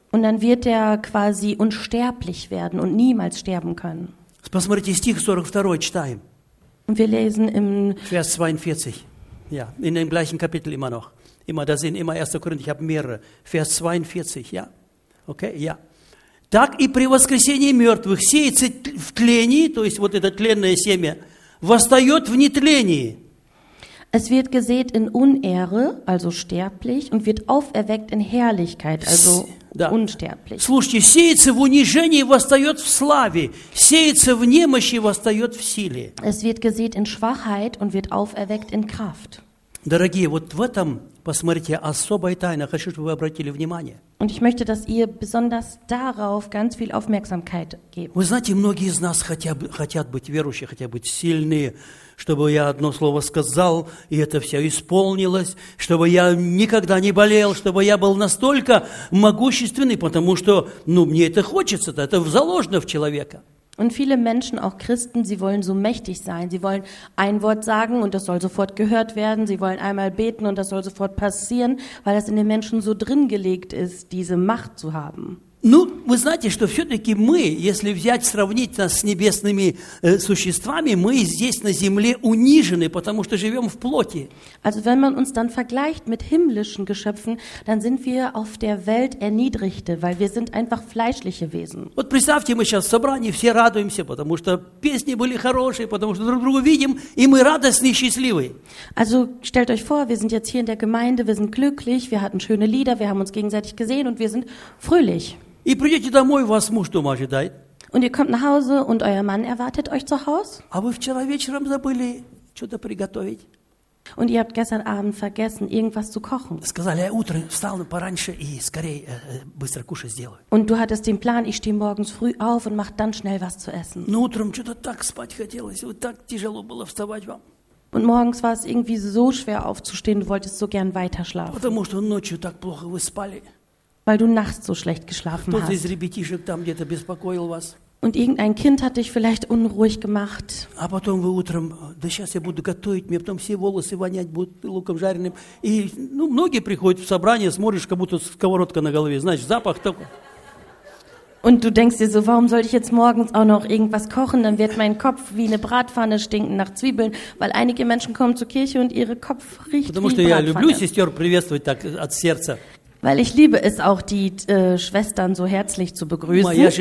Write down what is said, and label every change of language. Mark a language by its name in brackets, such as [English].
[German] Und dann wird er quasi unsterblich werden und niemals sterben können. [Russian] Посмотрите, стих 42 читаем. [German] Und wir lesen im Vers 42. Ja, in dem gleichen Kapitel immer noch. Immer, da sind immer 1. Korinther, ich habe mehrere. Vers 42, ja. Okay, ja. [Russian] Так и при воскресении мертвых сеется в тлении, то есть вот это тленное семя, восстает в нетлении. [German] Es wird gesät in Unehre, also sterblich, und wird auferweckt in Herrlichkeit, also да. Unsterblich. [Russian] Слушайте, сеется в унижении, восстает в славе. Сеется в немощи, восстает в силе. [German] Es wird gesät in Schwachheit und wird auferweckt in Kraft. [Russian] Дорогие, вот в этом, посмотрите, особая тайна. Хочу, чтобы вы обратили внимание. [German] Und ich möchte, dass ihr besonders darauf ganz viel Aufmerksamkeit gebt. [Russian] Вы знаете, многие из нас хотят быть верующие, хотят быть сильные, чтобы я одно слово сказал, и это все исполнилось, чтобы я никогда не болел, чтобы я был настолько могущественный, потому что, ну, мне это хочется, это заложено в человека. [German] Und viele Menschen, auch Christen, sie wollen so mächtig sein. Sie wollen ein Wort sagen und das soll sofort gehört werden. Sie wollen einmal beten und das soll sofort passieren, weil das in den Menschen so drin gelegt ist, diese Macht zu haben. [Russian] Ну, вы знаете, что все-таки мы, если взять, сравнить нас с небесными существами, мы здесь на земле унижены, потому что живем в плоти. [German] Also wenn man uns dann vergleicht mit himmlischen Geschöpfen, dann sind wir auf der Welt erniedrigte, weil wir sind einfach fleischliche Wesen. [Russian] Вот представьте, мы сейчас в собрании, все радуемся, потому что песни были хорошие, потому что друг друга видим, и мы радостные и счастливые. [German] Also stellt euch vor, wir sind jetzt hier in der Gemeinde, wir sind glücklich, wir hatten schöne Lieder, wir haben uns gegenseitig gesehen und wir sind fröhlich. [Russian] И придете домой, вас муж дома ожидает. [German] Und ihr kommt nach Hause und euer Mann erwartet euch zu Hause. [Russian] А вы вчера вечером забыли что-то приготовить. [German] Und ihr habt gestern Abend vergessen, irgendwas zu kochen. [Russian] Сказали, я утром встал пораньше и скорее быстро кушать сделаю. [German] Und du hattest den Plan, ich stehe morgens früh auf und mache dann schnell was zu essen. [Russian] Но утром что-то так спать хотелось, вот так тяжело было вставать вам. [German] Und morgens war es irgendwie so schwer aufzustehen, du wolltest so gern weiter schlafen. [Russian] Потому что ночью так плохо вы спали. [German] Weil du nachts so schlecht geschlafen [Russian] Кто-то [German] hast. [Russian] Из ребятишек там где-то беспокоил вас. [German] Und irgendein Kind hat dich vielleicht unruhig gemacht. [Russian] А потом вы утром, да сейчас я буду готовить, мне потом все волосы вонять будут луком жареным. И, ну, многие приходят в собрание, смотришь, как будто сковородка на голове. Знаешь, запах такой. [German] Und du denkst dir so, warum soll ich jetzt morgens auch noch irgendwas kochen? Dann wird mein Kopf wie eine Bratpfanne stinken nach Zwiebeln, weil einige Menschen kommen zur Kirche und ihre Kopf riecht [Russian] Потому Потому что я люблю сестер приветствовать так от сердца. [German] Weil ich liebe es auch, die Schwestern so herzlich zu begrüßen.